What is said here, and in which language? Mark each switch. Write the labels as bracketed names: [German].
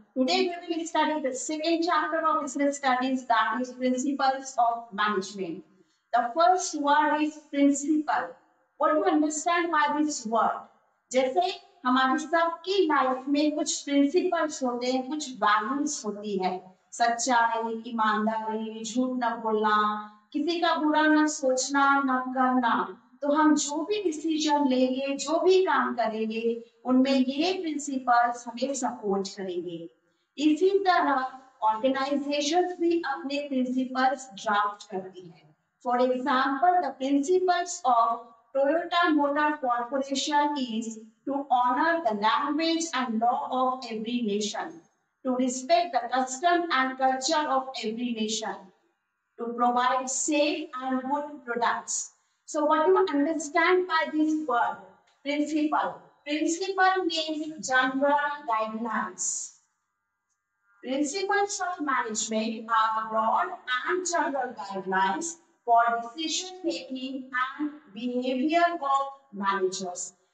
[English] Today, we will study the second chapter of business studies, that is principles of management. The first word is principle. What do you understand by this word? [Hindi] जैसे हमारी सबकी life में कुछ principles होते हैं, कुछ values होती है. सच्चाई, ईमानदारी, झूठ न बोलना, किसी का बुरा न सोचना, न करना. तो हम जो भी डिसीजन लेंगे, जो भी काम करेंगे, उनमें ये प्रिंसिपल्स हमें सपोर्ट करेंगे. इसी तरह ऑर्गेनाइजेशंस भी अपने प्रिंसिपल्स ड्राफ्ट करती है. [English] For example, the principles of Toyota motor corporation is to honour the language and law of every nation, to respect the custom and culture of every nation, to provide safe and good products. So what do you understand by this word, principle? Principle means general guidelines. Principles of management are broad and general guidelines for decision making and behavior of managers.